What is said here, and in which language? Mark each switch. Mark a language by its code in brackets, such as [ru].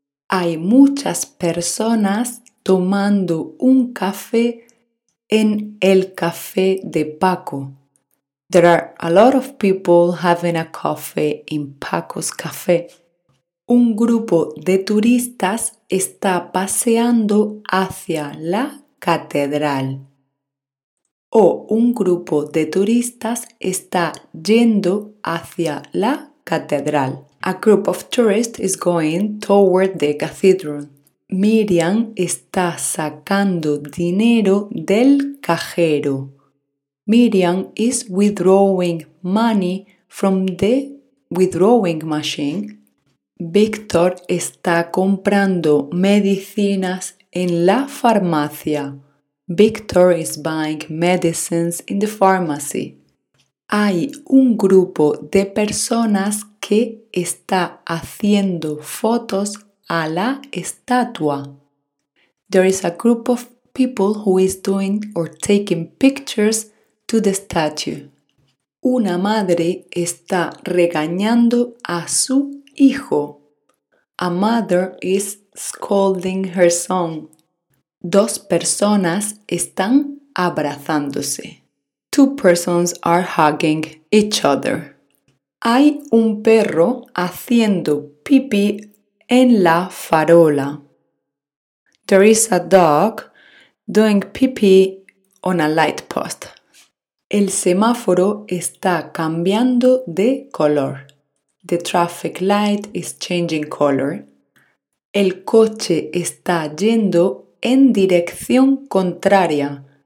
[es] Hay muchas personas tomando un café en el café de Paco. [en] There are a lot of people having a coffee in Paco's café. [es] Un grupo de turistas está paseando hacia la catedral. O un grupo de turistas está yendo hacia la catedral. [en] A group of tourists is going toward the cathedral. [es] Miriam está sacando dinero del cajero. [en] Miriam is withdrawing money from the withdrawing machine. [es] Víctor está comprando medicinas en la farmacia. [en] Víctor is buying medicines in the pharmacy. [es] Hay un grupo de personas que está haciendo fotos a la estatua. [en] There is a group of people who is doing or taking pictures to the statue. [es] Una madre está regañando a su hijo. [en] A mother is scolding her son. [es] Dos personas están abrazándose. [en] Two persons are hugging each other. [es] Hay un perro haciendo pipí en la farola. [en] There is a dog doing pipí on a light post. [es] El semáforo está cambiando de color. [en] The traffic light is changing color. [es] El coche está yendo en dirección contraria.